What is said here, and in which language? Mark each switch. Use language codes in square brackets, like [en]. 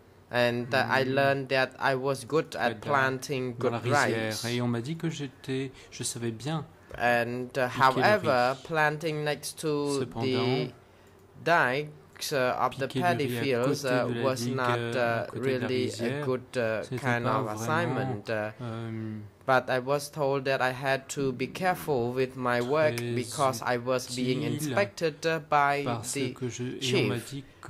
[en] And I learned that I was good at planting good rice. [fr] Et on m'a dit que j'étais, je savais bien. [en] And however, planting next to the dikes of the paddy fields was not really a good kind of assignment. But I was told that I had to be careful with my work because I was being inspected by the chief.